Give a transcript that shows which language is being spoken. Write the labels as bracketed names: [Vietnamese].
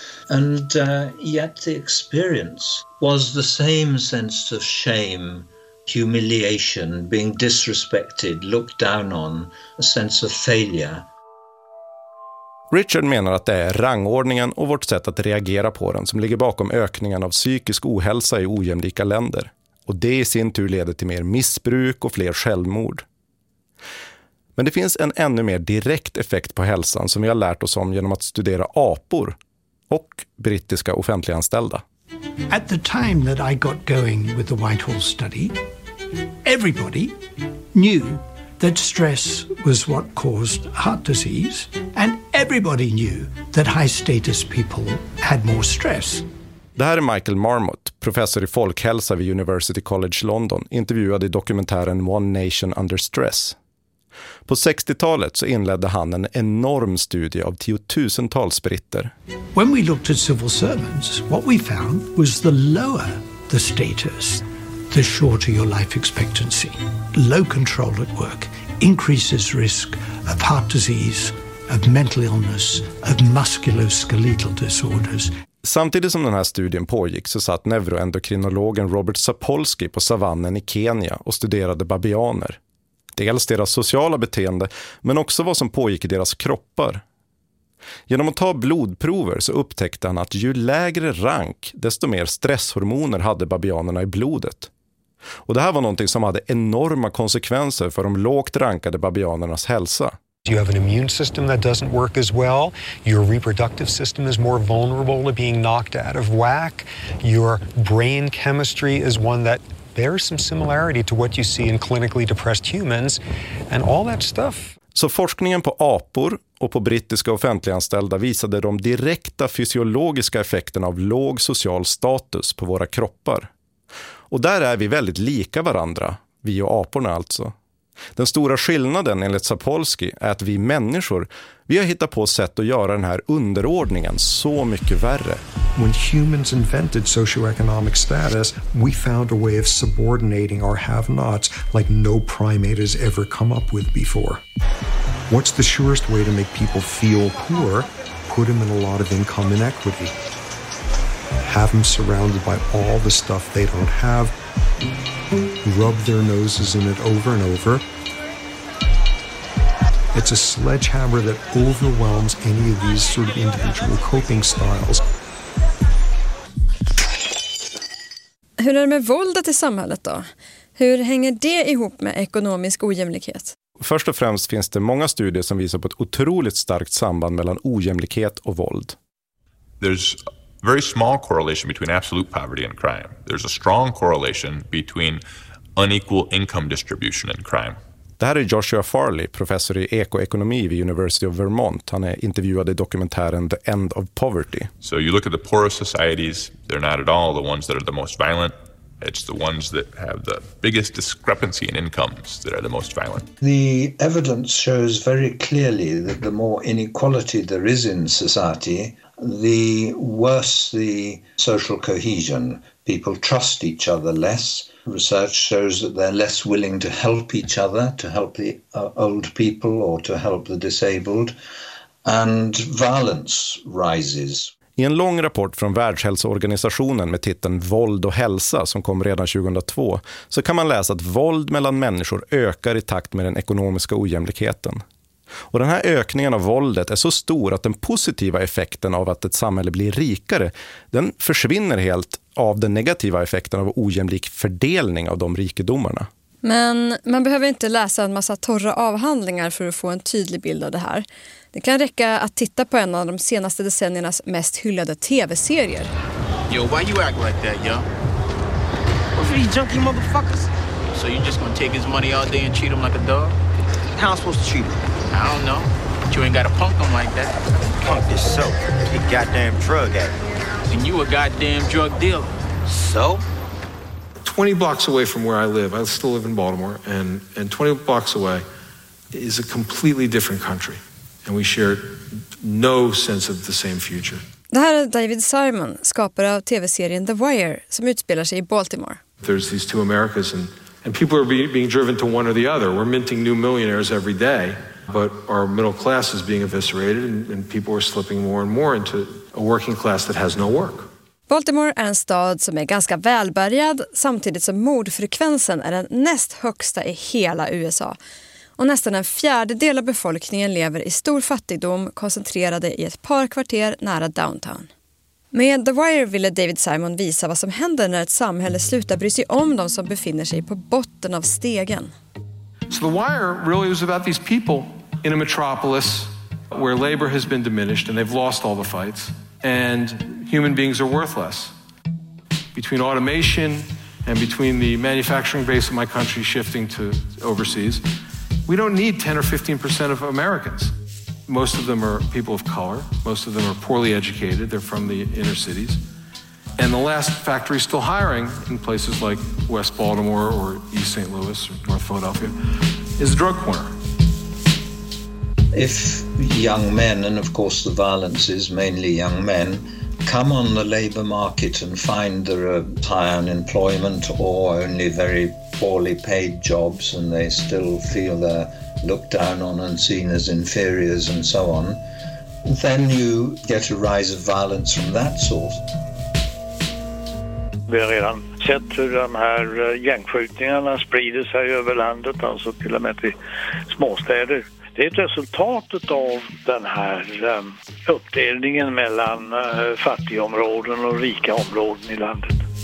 [English] And yet the experience was the same sense of shame, humiliation, being disrespected, looked down on, a sense of failure. [Swedish] Richard menar att det är rangordningen och vårt sätt att reagera på den som ligger bakom ökningen av psykisk ohälsa i ojämlika länder. Och det i sin tur leder till mer missbruk och fler självmord. Men det finns en ännu mer direkt effekt på hälsan som vi har lärt oss om genom att studera apor och brittiska offentliganställda. [English] At the time that I got going with the Whitehall study, everybody knew that stress was what caused heart disease, and everybody knew that high status people had more stress. [Swedish] Det här är Michael Marmot, professor i folkhälsa vid University College London, intervjuad i dokumentären One Nation Under Stress. På 60-talet så inledde han en enorm studie av tiotusentals britter. [English] When we looked at civil servants, what we found was the lower the status, the shorter your life expectancy. Low control at work increases risk of heart disease, of mental illness, of musculoskeletal disorders. [Swedish] Samtidigt som den här studien pågick så satt neuroendokrinologen Robert Sapolsky på savannen i Kenya och studerade babianer. Dels deras sociala beteende, men också vad som pågick i deras kroppar. Genom att ta blodprover så upptäckte han att ju lägre rank, desto mer stresshormoner hade babianerna i blodet. Och det här var någonting som hade enorma konsekvenser för de lågt rankade babianernas hälsa. [English] You have an immune system that doesn't work as well. Your reproductive system is more vulnerable to being knocked out of whack. Your brain chemistry is one that bears some similarity to what you see in clinically depressed humans and all that stuff. [Swedish] Så forskningen på apor och på brittiska offentliganställda visade de direkta fysiologiska effekterna av låg social status på våra kroppar. Och där är vi väldigt lika varandra, vi och aporna alltså. Den stora skillnaden enligt Sapolsky är att vi människor, vi har hittat på sätt att göra den här underordningen så mycket värre. [English] When humans invented socioeconomic status, we found a way of subordinating our have-nots like no primate has ever come up with before. What's the surest way to make people feel poor? Put them in a lot of income inequity. Have them surrounded by all the stuff they don't have. Rub their noses in it over and over. It's a sledgehammer that overwhelms any of these sort of individual coping styles. [Swedish] Hur är det med våldet i samhället då? Hur hänger det ihop med ekonomisk ojämlikhet? Först och främst finns det många studier som visar på ett otroligt starkt samband mellan ojämlikhet och våld. [English] There's very small correlation between absolute poverty and crime. There's a strong correlation between unequal income distribution and crime. [Swedish] Det här är Joshua Farley, professor i ekoekonomi vid University of Vermont. Han är intervjuad i dokumentären The End of Poverty. [English] So you look at the poorest societies, they're not at all the ones that are the most violent. It's the ones that have the biggest discrepancy in incomes that are the most violent. The evidence shows very clearly that the more inequality there is in society, the worse the social cohesion. People trust each other less. Research shows that they're less willing to help each other, to help the old people or to help the disabled. And violence rises. [Swedish] I en lång rapport från Världshälsoorganisationen med titeln Våld och hälsa som kom redan 2002 så kan man läsa att våld mellan människor ökar i takt med den ekonomiska ojämlikheten. Och den här ökningen av våldet är så stor att den positiva effekten av att ett samhälle blir rikare, den försvinner helt av den negativa effekten av ojämlik fördelning av de rikedomarna. Men man behöver inte läsa en massa torra avhandlingar för att få en tydlig bild av det här. Det kan räcka att titta på en av de senaste decenniernas mest hyllade tv-serier. [English] Yo, why you act like that, yo? What are you junkie motherfuckers? So you just gonna take his money all day and treat him like a dog? How am I supposed to treat him? I don't know. But you ain't gotta punk him like that. Punk yourself. He goddamn drug addict. And you a goddamn drug dealer. So? 20 blocks away from where I live, I still live in Baltimore, and 20 blocks away is a completely different country. And we share no sense of the same future. [Swedish] Det här är David Simon, skapare av tv-serien The Wire, som utspelar sig i Baltimore. [English] There's these two Americas and people are being driven to one or the other. We're minting new millionaires every day, but our middle class is being eviscerated and people are slipping more and more into a working class that has no work. [Swedish] Baltimore är en stad som är ganska välbärgad, samtidigt som mordfrekvensen är den näst högsta i hela USA. Och nästan en fjärdedel av befolkningen lever i stor fattigdom, koncentrerade i ett par kvarter nära downtown. Med The Wire ville David Simon visa vad som händer när ett samhälle slutar bry sig om de som befinner sig på botten av stegen. [English] So The Wire really was about these people in a metropolis where labor has been diminished and they've lost all the fights. And human beings are worthless. Between automation and between the manufacturing base of my country shifting to overseas, we don't need 10 or 15% of Americans. Most of them are people of color. Most of them are poorly educated. They're from the inner cities. And the last factory still hiring in places like West Baltimore or East St. Louis or North Philadelphia is a drug corner. If young men, and of course the violence is mainly young men, come on the labor market and find there are high unemployment or only very poorly paid jobs and they still feel they're looked down on and seen as inferiors and so on, then you get a rise of violence from that sort. [Swedish] Vi har redan sett hur de här gängskjutningarna sprider sig över landet, alltså till och med till småstäder. Det är ett resultat av den här uppdelningen mellan fattiga områden och rika områden i landet.